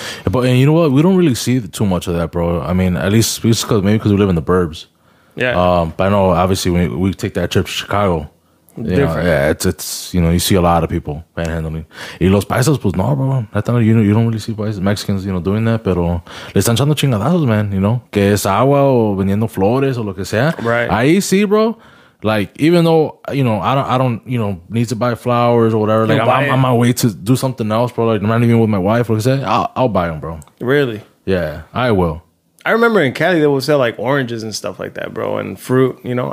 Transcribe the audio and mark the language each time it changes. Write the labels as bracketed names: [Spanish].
[English] But and you know what, we don't really see too much of that, bro. I mean, at least it's cause, maybe because we live in the burbs. Yeah. But I know obviously when we take that trip to Chicago, it's you know, you see a lot of people panhandling. [Spanish] Y los paisas, pues no, [English] bro. You don't really see paisas, Mexicans, you know, doing that. [Spanish] Pero le están echando chingadazos, man. [English] You know, [Spanish] que es agua o vendiendo flores o lo que sea. [English] Right. [Spanish] Ahí sí, bro. [English] Like, even though, you know, I don't, you know, need to buy flowers or whatever. Like, I'm on my way to do something else, bro. Like, I'm not even with my wife. Like I said, I'll buy them, bro. Really? Yeah, I will. I remember in Cali, they would sell, like, oranges and stuff like that, bro, and fruit, you know.